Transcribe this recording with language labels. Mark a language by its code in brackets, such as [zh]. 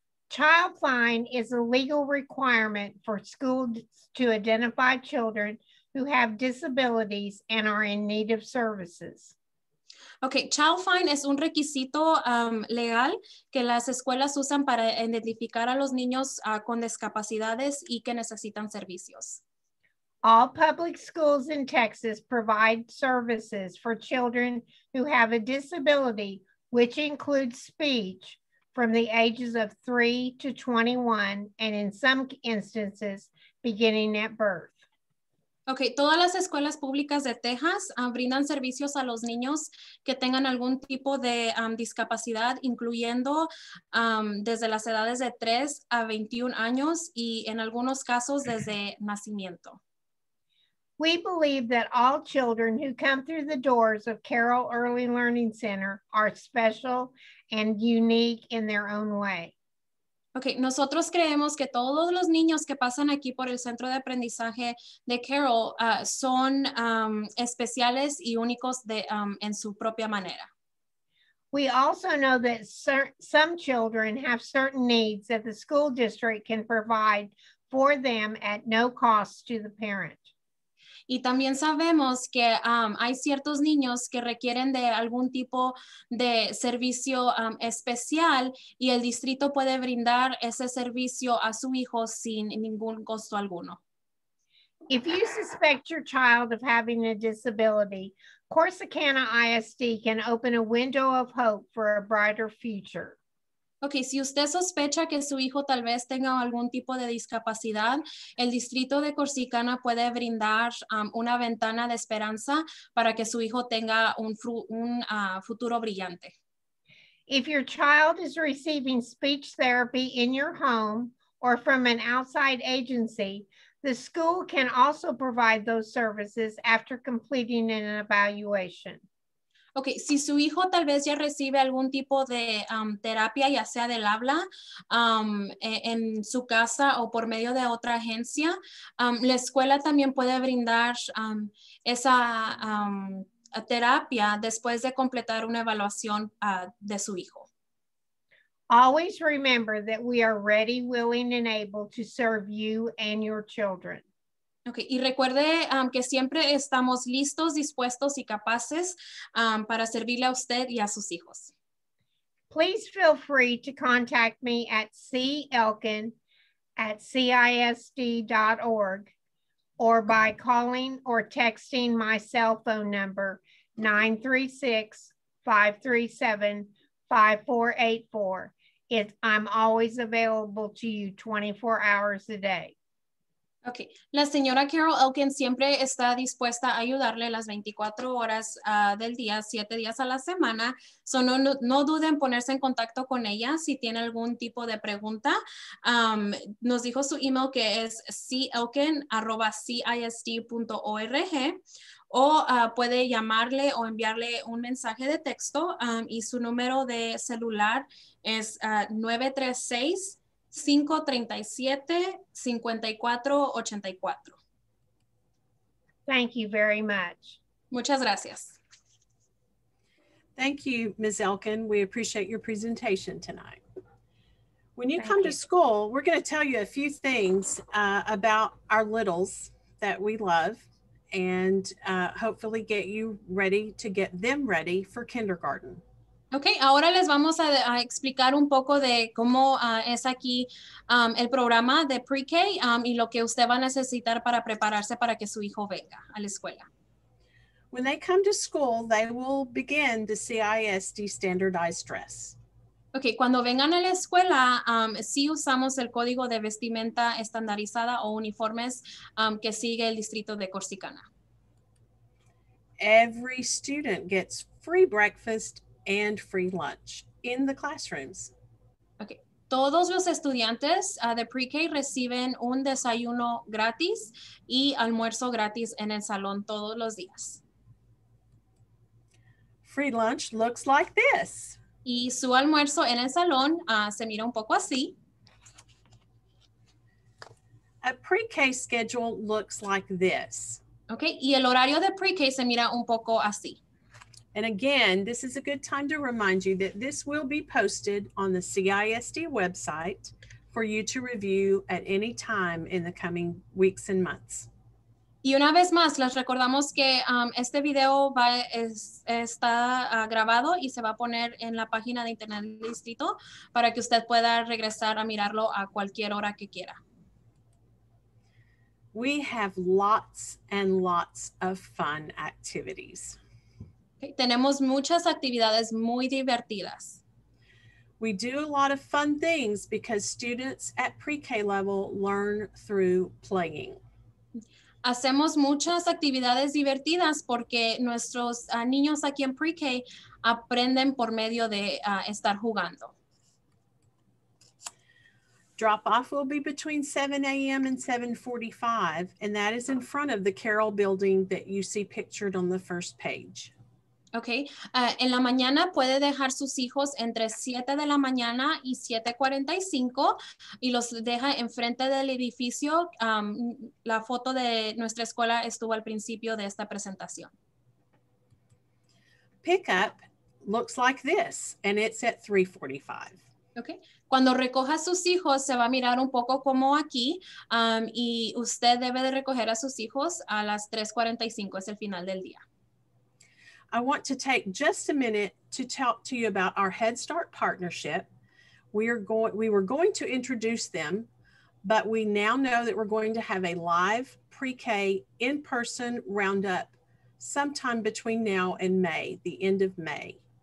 [en] Childline is a legal requirement for schools to identify children who have disabilities and are in need of services. [es] Okay, Childline es un requisito legal que las escuelas usan para identificar a los niños con discapacidades y que necesitan servicios. [en] All public schools in Texas provide services for children who have a disability, which includes speech, from the ages of 3 to 21, and in some instances, beginning at birth. [es] Okay, todas las escuelas públicas de Texas brindan servicios a los niños que tengan algún tipo de discapacidad, incluyendo desde las edades de 3 a 21 años, y en algunos casos desde nacimiento. [en] We believe that all children who come through the doors of Carroll Early Learning Center are special and unique in their own way. [es] Okay, nosotros creemos que todos los niños que pasan aquí por el centro de aprendizaje de Carroll son especiales y únicos de, en su propia manera. [en] We also know that some children have certain needs that the school district can provide for them at no cost to the parent. [es] Y también sabemos que hay ciertos niños que requieren de algún tipo de servicio especial y el distrito puede brindar ese servicio a su hijo sin ningún costo alguno. [en] If you suspect your child of having a disability, Corsicana ISD can open a window of hope for a brighter future. [es] Okay, si usted sospecha que su hijo tal vez tenga algún tipo de discapacidad, el distrito de Corsicana puede brindar una ventana de esperanza para que su hijo tenga un futuro brillante. [en] If your child is receiving speech therapy in your home or from an outside agency, the school can also provide those services after completing an evaluation. [es] Okay, si su hijo tal vez ya recibe algún tipo de terapia, ya sea del habla, en su casa o por medio de otra agencia, la escuela también puede brindar esa terapia después de completar una evaluación de su hijo. [en] Always remember that we are ready, willing, and able to serve you and your children. [es] Okay, y recuerde que siempre estamos listos, dispuestos, y capaces para servirle a usted y a sus hijos. [en] Please feel free to contact me at celkin@cisd.org or by calling or texting my cell phone number 936-537-5484. I'm always available to you 24 hours a day. Okay. [es] La señora Carroll Elkin siempre está dispuesta a ayudarle las 24 horas del día, 7 días a la semana. So no dude en ponerse en contacto con ella si tiene algún tipo de pregunta. Nos dijo su email que es celkin@cisd.org. O puede llamarle o enviarle un mensaje de texto y su número de celular es 936-537-5484. [en] Thank you very much. [es] Muchas gracias. [en] Thank you, Ms. Elkin. We appreciate your presentation tonight. When you come to school, we're going to tell you a few things about our littles that we love. And hopefully get you ready to get them ready for kindergarten. [es] Okay, ahora les vamos a explicar un poco de cómo es aquí el programa de PreK y lo que usted va a necesitar para prepararse para que su hijo venga a la escuela. [en] When they come to school, they will begin the CISD standardized dress. [es] Okay, cuando vengan a la escuela, sí usamos el código de vestimenta estandarizada o uniformes que sigue el distrito de Corsicana. [en] Every student gets free breakfast and free lunch in the classrooms. [es] Okay, todos los estudiantes de PreK reciben un desayuno gratis y almuerzo gratis en el salón todos los días. [en] Free lunch looks like this. [es] Y su almuerzo en el salón se mira un poco así. [en] A PreK schedule looks like this. [es] Okay, y el horario de PreK se mira un poco así. [en] And again, this is a good time to remind you that this will be posted on the CISD website for you to review at any time in the coming weeks and months. [es] Y una vez más, les recordamos que este video está grabado y se va a poner en la página de internet del distrito para que usted pueda regresar a mirarlo a cualquier hora que quiera. [en] We have lots and lots of fun activities. [es] Okay, tenemos muchas actividades muy divertidas. [en] We do a lot of fun things because students at PreK level learn through playing. [es] Hacemos muchas actividades divertidas porque nuestros niños aquí en PreK aprenden por medio de estar jugando. [en] Drop off will be between 7 a.m. and 7:45, and that is in front of the Carroll building that you see pictured on the first page. Okay. [es] En la mañana puede dejar sus hijos entre 7 de la mañana y 7:45 y los deja enfrente del edificio. La foto de nuestra escuela estuvo al principio de esta presentación. [en] Pickup looks like this, and it's at 3:45. Okay. [es] Cuando recoja sus hijos, se va a mirar un poco como aquí, y usted debe de recoger a sus hijos a las 3:45, es el final del día. [en] I want to take just a minute to talk to you about our Head Start partnership. We were going to introduce them, but we now know that we're going to have a live pre-K in-person roundup sometime between now and May, the end of May.